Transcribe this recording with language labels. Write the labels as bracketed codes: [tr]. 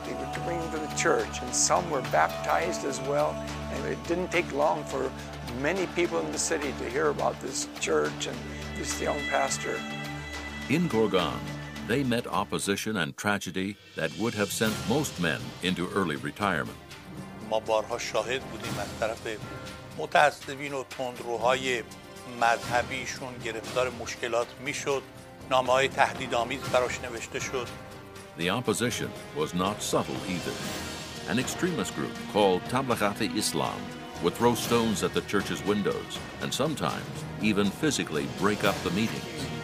[en] He would bring them to the church, and some were baptized as well. And it didn't take long for many people in the city to hear about this church and this young pastor. In Gorgan, they met opposition and tragedy that would have sent most men into early retirement. [fa] ما بارها شاهد بودیم از طرف متعصبین و تندروهای مذهبیشون گرفتار مشکلات میشد. نامه‌های تهدیدآمیز براش نوشته شد. [en] The opposition was not subtle either. An extremist group called Tablighat Islam would throw stones at the church's windows and sometimes even physically break up the meetings.